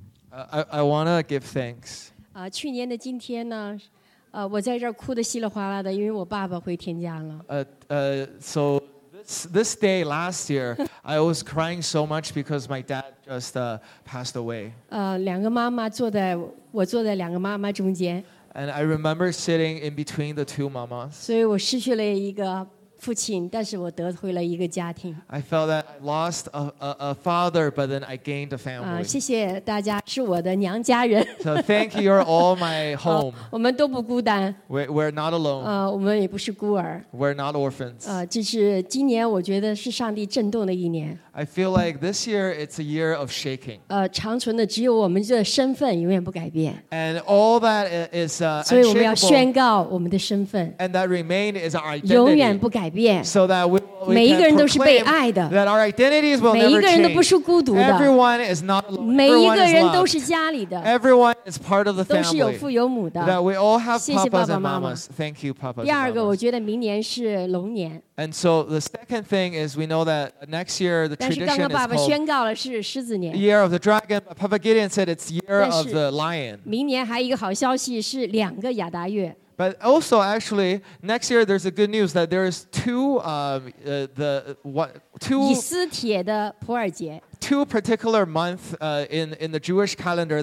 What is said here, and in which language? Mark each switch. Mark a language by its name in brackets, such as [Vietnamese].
[English] I want to give thanks. [Chinese] 去年的今天呢，我在这儿哭得稀里哗啦的，因为我爸爸回天家了。 [English] So this day last year, I was crying so much because my dad just passed away. [Chinese] 两个妈妈坐在两个妈妈中间。 [English] And I remember sitting in between the two mamas. [Chinese] 所以我失去了一个。父亲，但是我得回了一个家庭。 [English] I felt that I lost a father, but then I gained a family. [Chinese] 谢谢大家，是我的娘家人。 [English] So thank you, you're all my home. [Chinese] 我们都不孤单。 [English] We're not alone. [Chinese] 我们也不是孤儿。 [English] We're not orphans. [Chinese] 这是今年我觉得是上帝震动的一年。 [English] I feel like this year it's a year of shaking. [Chinese] 长存的只有我们的身份永远不改变。 [English] And all that is unshakable. [Chinese] 所以我们要宣告我们的身份。 [English] And that remained is our identity. [Chinese] 永远不改变。 [English] So that we can proclaim [Chinese] 每一个人都是被爱的 [English] that our identities will never change. Everyone is not alone. Everyone is loved. Everyone is part of the family. [Chinese] 都是有父有母的 [English] that we all have papas [Chinese] 谢谢爸爸妈妈 [English] and mamas. Thank you, papas and mamas. [Chinese] 第二个，我觉得明年是龙年。 [English] And so the second thing is we know that next year the tradition [Chinese] 但是刚刚爸爸宣告了是狮子年 [English] year of the dragon. Papa Gideon said it's year of the lion. [Chinese] 明年还有一个好消息是两个亚达月。 [English] But also, actually, next year there's a good news that there is two particular months in the Jewish calendar.